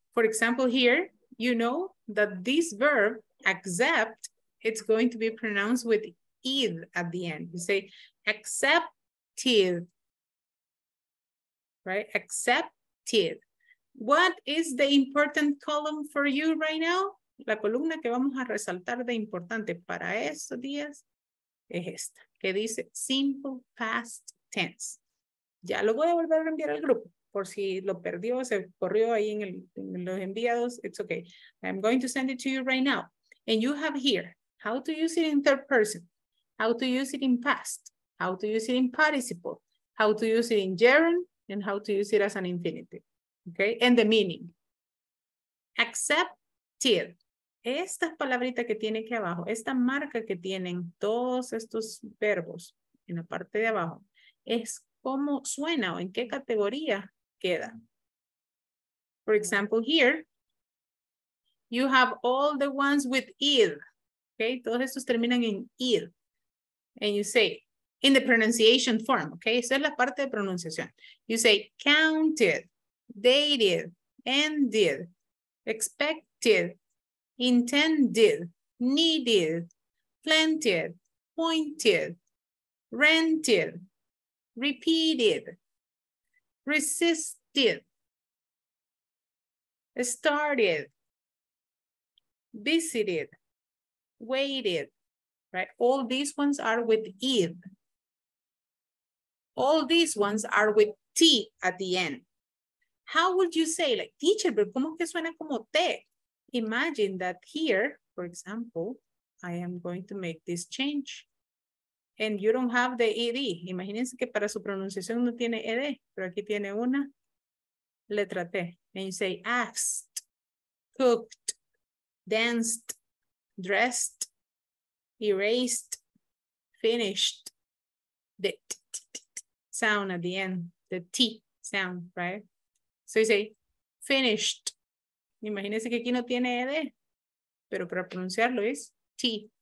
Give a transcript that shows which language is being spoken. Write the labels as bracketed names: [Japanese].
[English] For example, here, you know that this verb, accept, it's going to be pronounced with id at the end. You say, accepted, right? Accepted. What is the important column for you right now? [Spanish] La columna que vamos a resaltar de importante para estos días es esta, que dice simple past tense. Ya lo voy a volver a enviar al grupo, por si lo perdió, se corrió ahí en, en los enviados, [English] it's okay. I'm going to send it to you right now. And you have here, how to use it in third person, how to use it in past, how to use it in participle, how to use it in gerund, and how to use it as an infinitive, okay? And the meaning, accepted. [Spanish] Esta palabrita que tiene aquí abajo, esta marca que tienen todos estos verbos en la parte de abajo, es cómo suena o en qué categoría queda. [English] For example, here, you have all the ones with id, okay? [Spanish] Todos estos terminan en id. [English] And you say, in the pronunciation form, okay? [Spanish] Esa es la parte de pronunciación. [English] You say, counted, dated, ended, expected, intended, needed, planted, pointed, rented, repeated, resisted, started, visited, waited, right? All these ones are with id. All these ones are with T at the end. How would you say, like, teacher, [Spanish] pero ¿cómo que suena como T? [English] Imagine that here, for example, I am going to make this change. And you don't have the ed. [Spanish] Imagínense que para su pronunciación no tiene ed, pero aquí tiene una letra T. [English] And you say asked, cooked, danced, dressed, erased, finished, the t sound at the end, the T sound, right? So you say finished. [Spanish] Imagínense que aquí no tiene ed, pero para pronunciarlo es T.